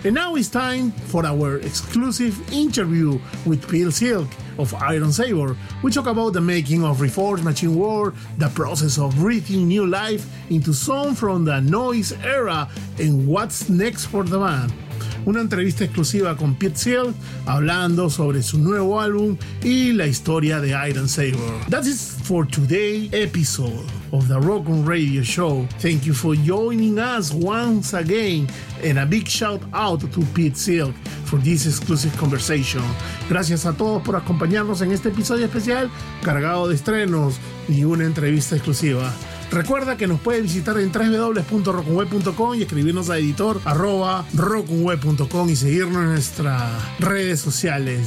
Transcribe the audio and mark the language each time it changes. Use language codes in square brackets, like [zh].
[en] And now it's time for our exclusive interview with Pete Silk of Iron Savior. We talk about the making of Reforged Machine War, the process of breathing new life into song from the noise era, and what's next for the band. [es] una entrevista exclusiva con Pete Seeger hablando sobre su nuevo álbum y la historia de Iron Saber. [en] That is for today's episode of the Rock'n Radio Show. Thank you for joining us once again, and a big shout out to Pete Seeger for this exclusive conversation. [es] Gracias a todos por acompañarnos en este episodio especial cargado de estrenos y una entrevista exclusiva. Recuerda que nos puedes visitar en www.rockunweb.com y escribirnos a editor@rockunweb.com y seguirnos en nuestras redes sociales.